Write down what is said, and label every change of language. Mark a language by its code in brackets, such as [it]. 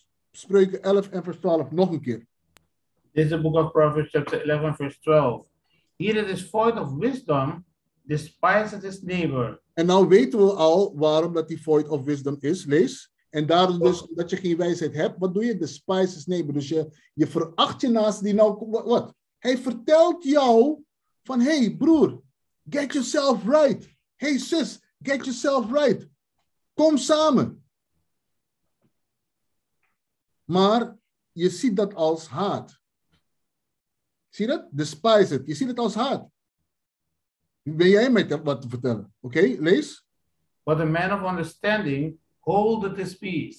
[nl] Spreuken 11 en vers 12, nog een keer. [en] This is the book of Proverbs, chapter 11, verse 12. He that is void of wisdom despises his neighbor. [nl] En nou weten we al waarom dat die [en] void of wisdom [nl] is, lees. En daarom dus, omdat je geen wijsheid hebt, wat doe je? [en] Despises his neighbor. [nl] Dus je veracht je naast die nou, wat? Hij vertelt jou van, hey broer, [en] get yourself right. Hey sis, get yourself right. [nl] Kom samen. Maar je ziet dat als haat. Zie je dat? [en] Despise it. [nl] Je ziet het als haat. Ben jij mij wat te vertellen? Oké, okay, lees. [en] But a man of understanding holdeth his peace.